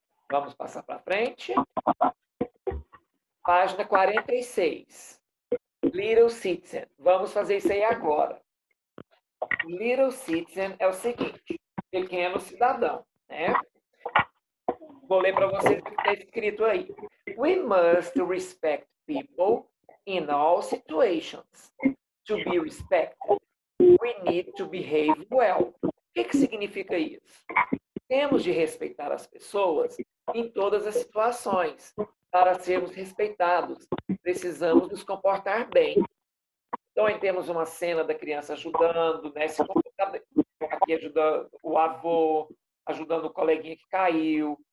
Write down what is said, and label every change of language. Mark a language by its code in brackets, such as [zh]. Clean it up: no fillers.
[pt] Vamos passar para frente. Página 46. Little Citizen. Vamos fazer isso aí agora. Little Citizen é o seguinte. Pequeno cidadão, né? Vou ler para vocês o que está escrito aí. [en] We must respect people in all situations. To be respected, we need to behave well. [pt] O que, que significa isso? Temos de respeitar as pessoas em todas as situações. Para sermos respeitados, precisamos nos comportar bem. Então, aí temos uma cena da criança ajudando, né? Se comportar bem. Aqui ajudando o avô, ajudando o coleguinha que caiu.